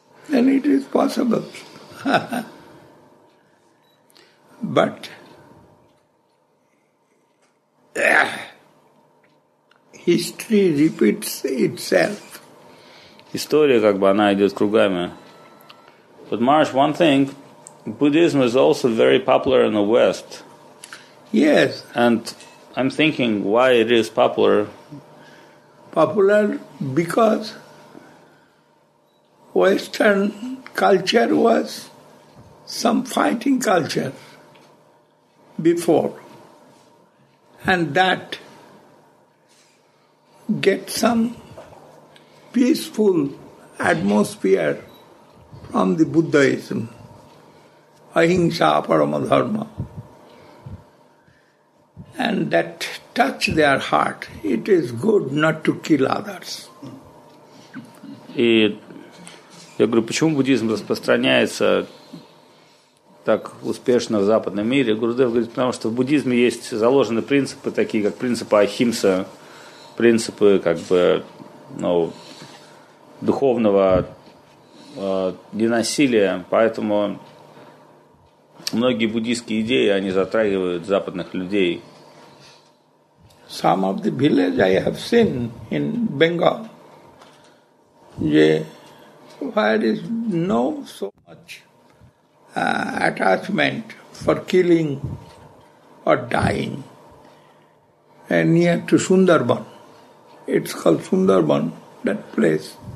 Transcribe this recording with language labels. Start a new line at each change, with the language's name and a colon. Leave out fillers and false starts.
English: Then it is possible. But... History repeats itself.
Russian: История, как бы, она идет кругами.
English: But Marsh, one thing, Buddhism is also very popular in the West. Yes. And I'm thinking why it is popular. Popular because Western culture was some fighting culture before. And that get some peaceful atmosphere from the Buddhism,
Sanskrit: ahimsa parama dharma,
English: and that touch their heart. It is good not to kill others.
Russian: И я говорю, почему буддизм распространяется так успешно в западном мире? Гурудев говорит, потому что в буддизме есть заложены принципы такие, как принципы ахимса, принципы как бы, ну, духовного ненасилия, поэтому многие буддийские идеи они затрагивают западных людей.
English: Some of the village I have seen in Bengal, where is no so much attachment for killing or dying, and near to Sundarban, it's called Sundarban, that place.